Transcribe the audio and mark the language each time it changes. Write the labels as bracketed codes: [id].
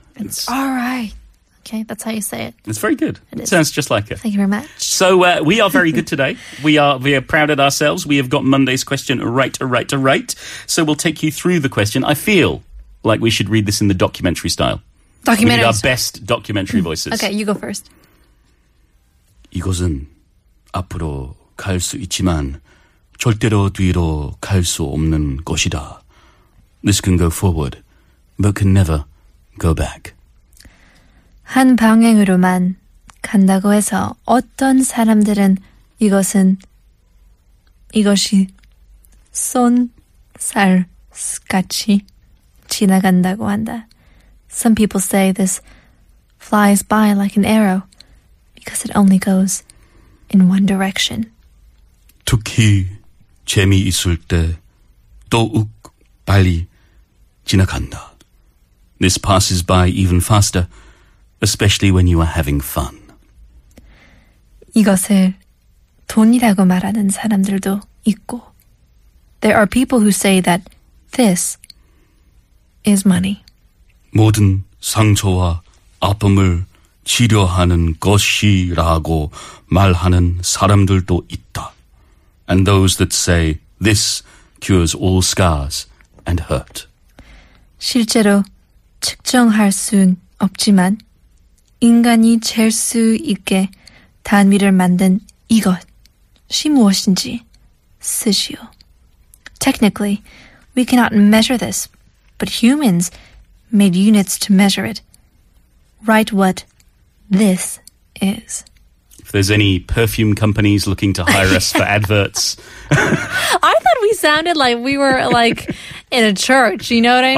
[en] It's all right. Okay, that's how you say it. It's very good. It sounds just like it. Thank you very much. So we are very good today. We are proud of ourselves. We have got Monday's question right. So we'll take you through the question. I feel like we should read this in the documentary style. Documentary. We need our best documentary voices. Okay, you go first. [ko] 이것은 앞으로 갈 수 있지만 절대로 뒤로 갈 수 없는 것이다. [en] This can go forward, but can never go back. [ko] 한 방향으로만 간다고 해서 어떤 사람들은 이것이 쏜살 [en] scratchy, [ko] 지나간다고 한다. [en] Some people say this flies by like an arrow because it only goes in one direction. [ko] 특히 재미있을 때 더욱 빨리 지나간다. [en] This passes by even faster, especially when you are having fun. [ko] 이것을 돈이라고 말하는 사람들도 있고. [en] There are people who say that this is money. [ko] 모든 상처와 아픔을 치료하는 것이라고 말하는 사람들도 있다. [en] And those that say this cures all scars and hurt. [ko] 실제로 측정할 순 없지만 인간이 잴 수 있게 단위를 만든 이것이 무엇인지 쓰시오. [en] Technically, we cannot measure this, but humans made units to measure it. Write what this is. If there's any perfume companies looking to hire us for adverts. I thought we sounded like we were like in a church, you know what I mean?